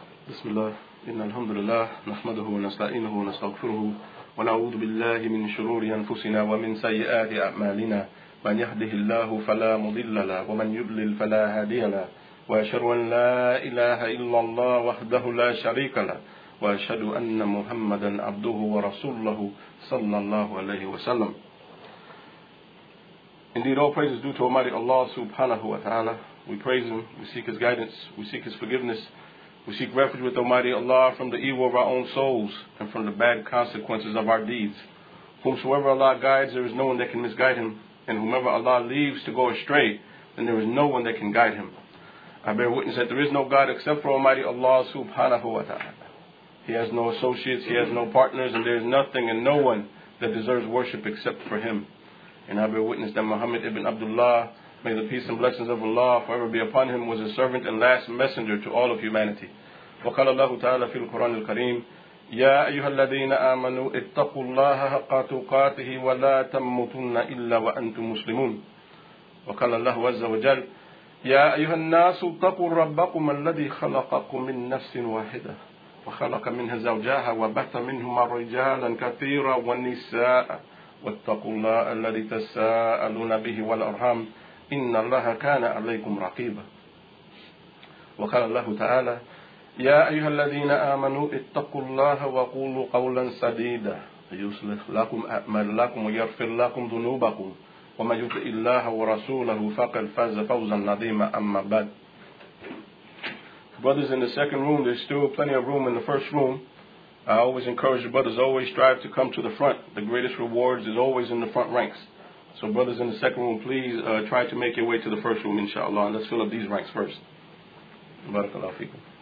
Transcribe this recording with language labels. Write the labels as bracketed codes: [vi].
[ar] بسم الله إن الحمد لله نحمده ونستعينه ونستغفره ونعوذ بالله من شرور أنفسنا ومن سيئات أعمالنا من يهده الله فلا مضل له ومن يضلل فلا هادي له وأشهد أن لا إله إلا الله وحده لا شريك له وأشهد أن محمدا عبده ورسوله صلى الله عليه وسلم. [en] Indeed, all praise is due to Almighty Allah subhanahu wa ta'ala. We praise Him, we seek His guidance, we seek His forgiveness, we seek refuge with Almighty Allah from the evil of our own souls and from the bad consequences of our deeds. Whomsoever Allah guides, there is no one that can misguide him, and whomever Allah leaves to go astray, then there is no one that can guide him. I bear witness that there is no God except for Almighty Allah subhanahu wa ta'ala. He has no associates, he has no partners, and there is nothing and no one that deserves worship except for him. And I bear witness that Muhammad ibn Abdullah, may the peace and blessings of Allah forever be upon him, was a servant and last messenger to all of humanity. [ar] وَقَالَ اللَّهُ تَعَالَى فِي الْقُرْآنِ الْكَرِيمِ يَا أَيُّهَا الَّذِينَ آمَنُوا اتَّقُوا اللَّهَ حَقَّ تُقَاتِهِ وَلَا تَمُوتُنَّ إِلَّا وَأَنْتُمْ مُسْلِمُونَ وَقَالَ اللَّهُ عَزَّ وَجَلَّ يَا أَيُّهَا النَّاسُ اتَّقُوا رَبَّكُمُ الَّذِي خَلَقَكُم مِّن نَّفْسٍ وَاحِدَةٍ وَخَلَقَ مِنْهَا زَوْجَهَا وَبَثَّ مِنْهُمَا رِجَالًا كَثِيرًا وَنِسَاءً واتقوا الله الذي تساءلون به والأرحام إن الله كان عليكم رقيبا وقال الله تعالى يا أيها الذين آمنوا اتقوا الله وقولوا قولا سديدا يصلح لكم أعمالكم ويغفر لكم ذنوبكم وما يطع الله ورسوله فقد فاز فوزا عظيما أما بعد. [en] Brothers in the second room, there's still plenty of room in the first room. I always encourage the brothers, always strive to come to the front. The greatest rewards is always in the front ranks. So brothers in the second room, please try to make your way to the first room, inshallah, and let's fill up these ranks first. Barakallahu feekum.